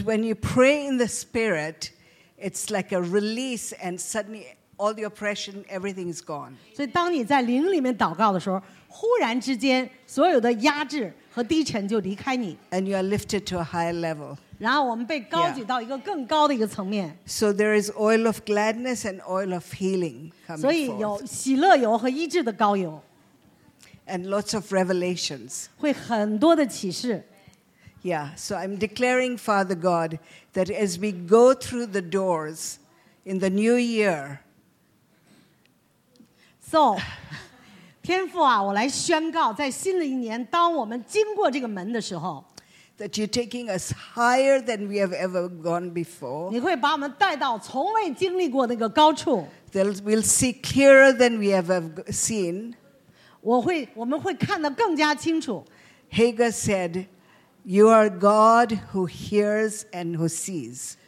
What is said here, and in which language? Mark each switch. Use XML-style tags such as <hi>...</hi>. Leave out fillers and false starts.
<en>when you pray in the Spirit, it's like a release, and suddenly all the oppression, everything is gone.</en> <zh>所以当你在灵里面祷告的时候，忽然之间，所有的压制和低沉就离开你。</zh> <en>And you are lifted to a higher level.</en> <zh>然后我们被高举到一个更高的一个层面。</zh> <en>So there is oil of gladness and oil of healing coming forth.</en> <zh>所以有喜乐油和医治的膏油。</zh> <en>And lots of revelations.</en> <zh>会很多的启示。</zh> <en>Yeah, so I'm declaring, Father God, that as we go through the doors in the new year. So,</en> <zh>天父啊, 我来宣告, 在新的一年, 当我们经过这个门的时候,</zh> <en>that you're taking us higher than we have ever gone before.</en> <zh>你会把我们带到从未经历过那个高处。</zh> <en>That we'll see clearer than we have ever seen.</en> <zh>我们会看得更加清楚。</zh> <en>Hagar said, you are God who hears and who sees.</en>